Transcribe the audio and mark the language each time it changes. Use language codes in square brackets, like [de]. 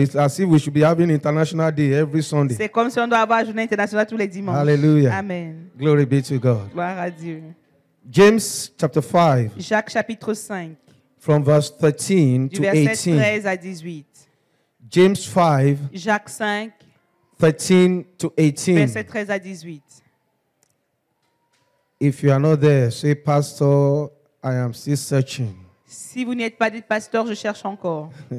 [en] It's as if we should be having International Day every Sunday. [fr] C'est comme si on doit avoir journée internationale tous les dimanches. Hallelujah. Amen. [en] Glory be to God. [fr] Gloire à Dieu. [en] James chapter 5. [fr] Jacques chapitre 5. [en] From verse 13 [fr] du [en] to 18. [fr] Du verset 13 à 18. [en] James 5. [fr] Jacques 5. [en] 13 to 18. [fr] Verset 13 à 18. [en] If you are not there, say, Pastor, I am still searching. [fr] Si vous n'êtes pas dit, Pasteur, je cherche encore.